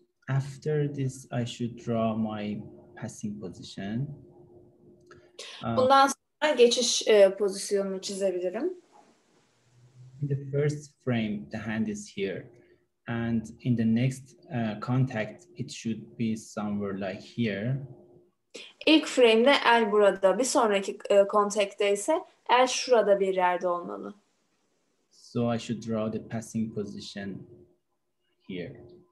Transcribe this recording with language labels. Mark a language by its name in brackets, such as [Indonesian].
[English] After this, I should draw my passing position. [Turkish] Bundan sonra geçiş pozisyonunu çizebilirim. [English] In the first frame, the hand is here. And in the next contact, it should be somewhere like here. [Turkish] İlk frame'de el burada. Bir sonraki contact'te ise el şurada bir yerde olmalı. [English] So I should draw the passing position here.